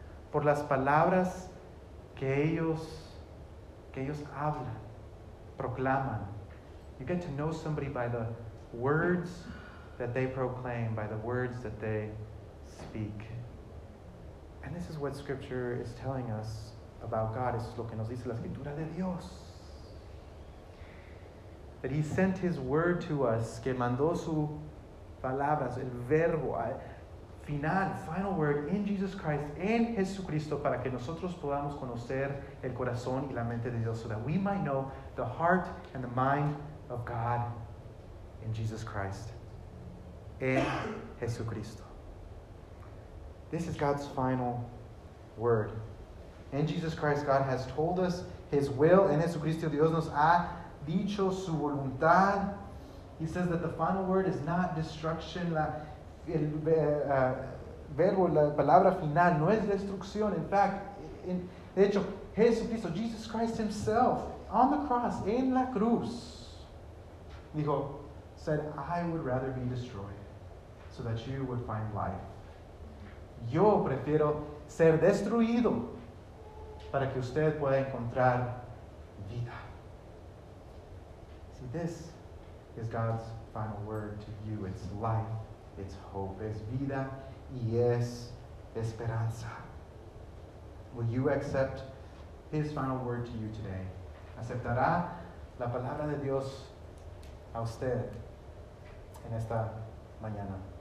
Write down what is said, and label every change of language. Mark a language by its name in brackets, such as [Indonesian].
[Spanish] Por las palabras que ellos hablan, proclaman. [English] You get to know somebody by the words that they proclaim, by the words that they speak. And this is what Scripture is telling us about God. [Spanish] Es lo que nos dice la Escritura de Dios. [English] That he sent his word to us, [Spanish] que mandó su palabras, el verbo, [English] final word, in Jesus Christ, [Spanish] en Jesucristo, para que nosotros podamos conocer el corazón y la mente de Dios, [English] so that we might know the heart and the mind of God in Jesus Christ, [Spanish] en Jesucristo. [English] This is God's final word. In Jesus Christ, God has told us his will. [Spanish] En Jesucristo, Dios nos ha dicho su voluntad. [English] He says that the final word is not destruction. [Spanish] El verbo, la palabra final, no es destrucción. [English] In fact, [Spanish] de hecho, [English] Jesucristo, Jesus Christ himself, on the cross, [Spanish] en la cruz, [English] said, I would rather be destroyed so that you would find life. [Spanish] Yo prefiero ser destruido para que usted pueda encontrar vida. [English] See, this is God's final word to you. It's life, it's hope, it's [Spanish] vida y es esperanza. [English] Will you accept his final word to you today? [Spanish] ¿Aceptará la palabra de Dios a usted en esta mañana?